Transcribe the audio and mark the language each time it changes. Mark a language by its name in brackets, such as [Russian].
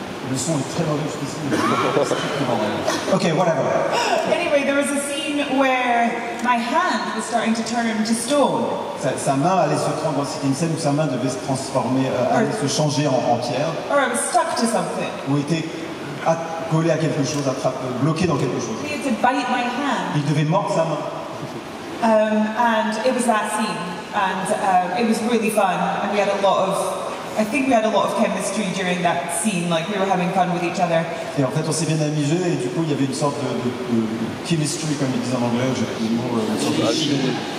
[French] Le son est très mauvais, je suis désolée. [English] Okay, whatever. Anyway, there was a scene where my hand was starting to turn into stone. [French] Sa main allait se transformer. C'était une scène où sa main devait se transformer, allait se changer en pierre. [English] Or I was stuck to something. [French] Ou était collé à quelque chose, bloqué dans quelque chose. [English] He had to bite my hand. [French] Il devait mordre sa main. [English] And it was that scene, and it was really fun, and we had a lot of I think we had a lot of chemistry during that scene, like we were having fun with each other. [French] Et en fait, on s'est bien amusé, et du coup, il y avait une sorte de chemistry, comme ils disent en anglais, je sais plus le mot, une sorte de chimie.